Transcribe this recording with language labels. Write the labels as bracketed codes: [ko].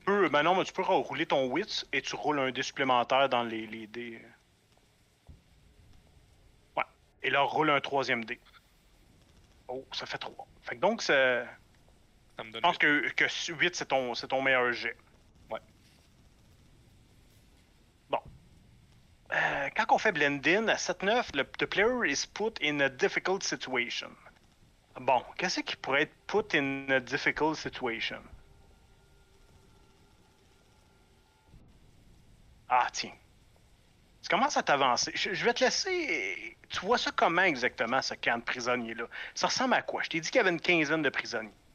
[fr] Ben non, mais tu peux rouler ton wits et tu roules un dé supplémentaire dans les dés. Ouais. Et là, roule un troisième dé. Oh, ça fait 3. Fait que donc, c'est... Ça me donne je pense 8. Que 8, c'est ton meilleur jet. Ouais. Bon. Quand on fait blend-in à 7-9, [en] the player is put in a difficult situation. [fr] Bon, qu'est-ce qui pourrait être [en] put in a difficult situation? [fr] Ah, tiens. Tu commences à t'avancer. Je vais te laisser... Tu vois ça comment exactement, ce camp de prisonniers-là? Ça ressemble à quoi? Je t'ai dit qu'il y avait une quinzaine de prisonniers.